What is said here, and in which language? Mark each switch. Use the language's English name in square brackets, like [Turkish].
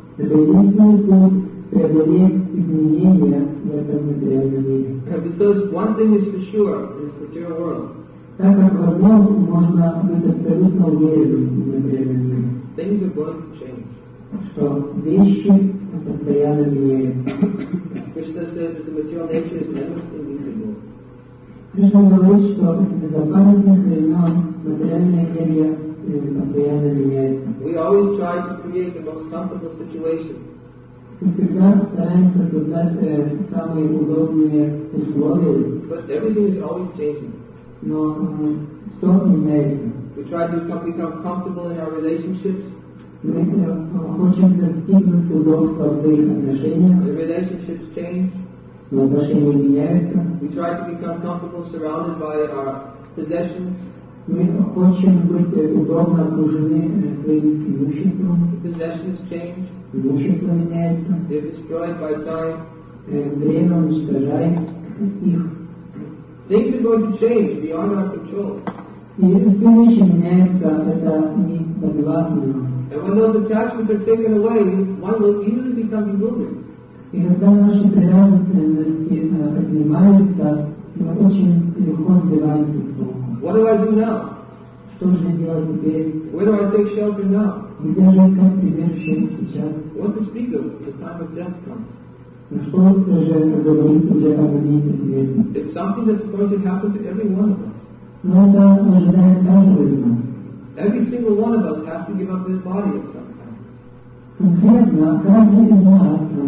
[English] Because one thing is for sure in this material world. Things are going to change. So, Krishna says that the material nature is endlessly mutable. [Russian] Krishna говорит, что безопасность времен, материальная энергия постоянно меняется. [English] We always try to create the most comfortable situation. [Russian] Мы всегда стараемся создать самые удобные условия. [English] But everything is always changing. [Russian] Но что меняется? [English] We try to become comfortable in our relationships. [Russian] Мы хотим достигнуть удобства в своих отношениях. [English] The relationships change. [Russian] Но отношения меняются. [English] We try to become comfortable surrounded by our possessions. [Russian] Мы хотим быть удобно окружены своим имуществом. [English] The possessions change. [Russian] Имущество меняется. [English] They're destroyed by time. [Russian] Время уничтожает их. [English] Things are going to change beyond our control. [Russian] И это все вещи меняются, это не подвластно нам. [English] And when those attachments are taken away, one will easily become bewildered. [Russian] И когда наши привязанности отнимаются, мы очень легко сбиваемся с Богом. [English] What do I do now? [Russian] Что же делать теперь? [English] Where do I take shelter now? [Russian] Где же искать прибежище сейчас? [English] What to speak of when the time of death comes? [Russian] На что же говорить уже о моменте смерти? [English] It's something that's going to happen to every one of us. [Russian] Но это ожидает каждого из нас. [English] Every single one of us has to give up this body at some time. [Russian] Конкретно, каждый из нас